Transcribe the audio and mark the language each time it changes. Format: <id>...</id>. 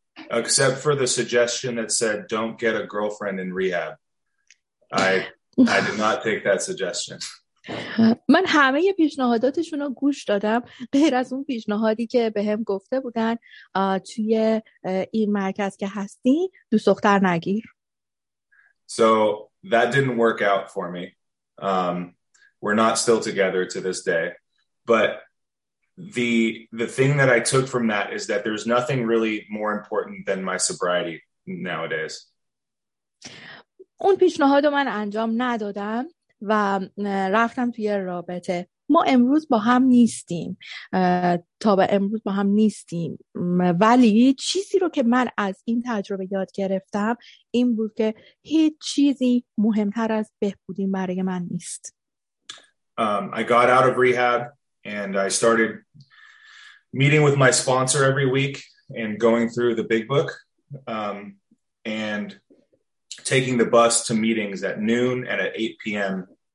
<en>Except for the suggestion that said don't get a girlfriend in rehab. I did not take that suggestion.</en> <fa>من همه پیشنهاداتشون رو گوش دادم غیر از اون پیشنهادی که به هم گفته بودن توی این مرکز که هستی دوست دختر نگیر.</fa> <en>So that didn't work out for me. We're not still together to this day, but the thing that I took from that is that there's nothing really more important than my sobriety nowadays.</en> <fa>اون پیشنهادو من انجام ندادم و رفتم توی رابطه. ما امروز با هم نیستیم. تا به امروز با هم نیستیم. ولی چیزی رو که من از این تجربه یاد گرفتم این بود که هیچ چیزی مهمتر از بهبودی برای من نیست.</fa> <en>I got out of rehab and I started meeting with my sponsor every week and going through the big book and taking the bus to meetings at noon and at 8 p.m.</en>